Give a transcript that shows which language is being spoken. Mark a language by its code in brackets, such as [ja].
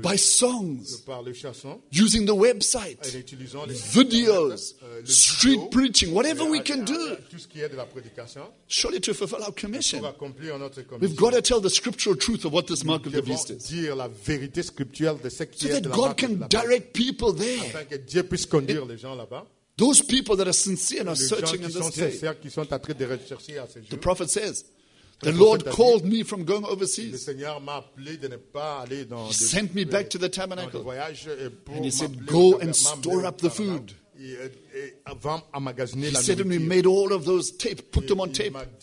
[en] by songs, [fr] par le chanson, [en] using the website, [fr] utilisant les [en] videos, street vidéo, preaching, whatever we can do. [fr] Tout ce qui est de la prédication, [en] surely to fulfill our commission, [fr] pour accomplir notre commission, [en] we've got to tell the scriptural truth of what this mark of the beast is. [fr] Dire la vérité scripturelle de ce [en] so that God can direct people there. [fr] Afin que Dieu puisse conduire les gens là-bas. [en] Those people that are sincere and are searching in this day. [fr] Qui sont en train de rechercher à ce jour. [en] The prophet says, the Lord called me from going overseas. [fr] Le Seigneur m'a appelé de ne pas aller dans [en] he sent me back to the tabernacle. [fr] Voyage, [en] and he said, go and store up the food. He said to me, made all of those tapes, put them on tape.